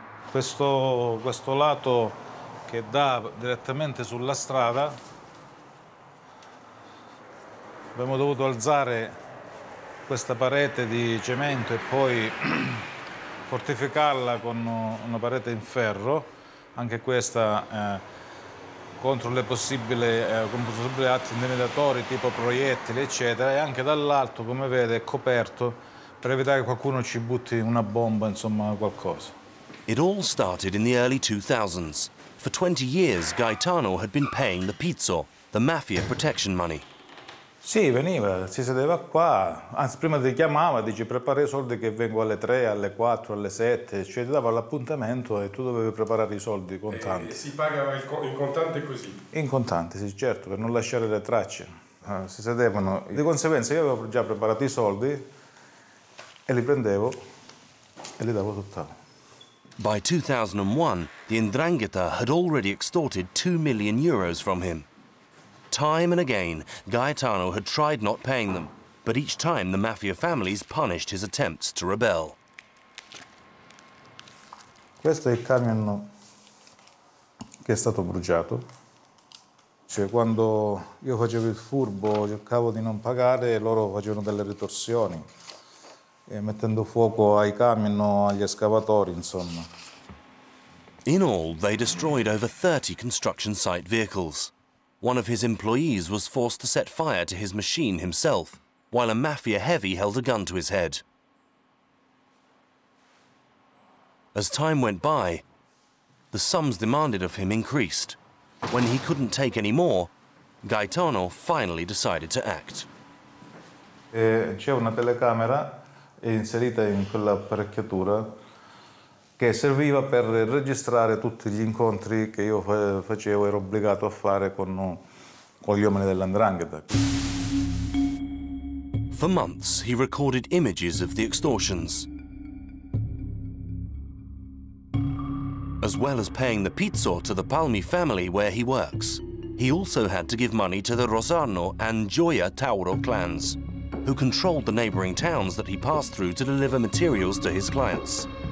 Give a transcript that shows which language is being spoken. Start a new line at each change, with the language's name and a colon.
Italian: Questo lato che dà direttamente sulla strada, abbiamo dovuto alzare questa parete di cemento e poi fortificarla con una parete in ferro. Anche questa contro le possibili atti intimidatori tipo proiettili eccetera, e anche dall'alto, come vede, è coperto per evitare che qualcuno ci butti una bomba, insomma, qualcosa.
English: It all started in the early 2000s. For 20 years Gaetano had been paying the pizzo, the mafia protection money.
Italian: Sì, veniva, si sedeva qua, anzi prima ti chiamava, dici prepara i soldi che vengo alle 3, alle 4, alle 7, cioè ti dava l'appuntamento e tu dovevi preparare i soldi contanti. E si pagava in contante così? In contanti, sì, certo, per non lasciare le tracce. Si sedevano, di conseguenza io avevo già preparato i soldi e li prendevo e li davo tutt'altro.
English: By 2001, the Ndrangheta had already extorted 2 million euros from him. Time and again, Gaetano had tried not paying them, but each time the Mafia families punished his attempts to rebel.
Italian: Questo è il camion che è stato bruciato. Cioè, quando io facevo il furbo, cercavo di non pagare, loro facevano delle ritorsioni, e mettendo fuoco ai camion, agli escavatori, insomma.
English: In all, they destroyed over 30 construction site vehicles. One of his employees was forced to set fire to his machine himself, while a Mafia heavy held a gun to his head. As time went by, the sums demanded of him increased. When he couldn't take any more, Gaetano finally decided to act.
Italian: C'è una telecamera inserita in quell'apparecchiatura che serviva per registrare tutti gli incontri che io facevo ero obbligato a fare con gli uomini dell'Ndrangheta.
English: For months, he recorded images of the extortions. As well as paying the pizzo to the Palmi family where he works, he also had to give money to the Rosarno and Gioia Tauro clans, who controlled the neighboring towns that he passed through to deliver materials to his clients.